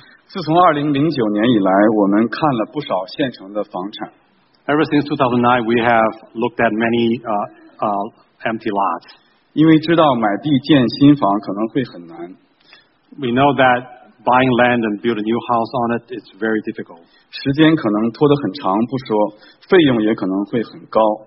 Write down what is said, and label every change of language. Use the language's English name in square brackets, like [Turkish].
[Chinese] 自从2009年以来，我们看了不少现成的房产。 [English] Ever since 2009, we have looked at many empty lots. [Chinese] 因为知道买地建新房可能会很难。 [English] We know that buying land and build a new house on it is very difficult. [Chinese] 时间可能拖得很长不说，费用也可能会很高。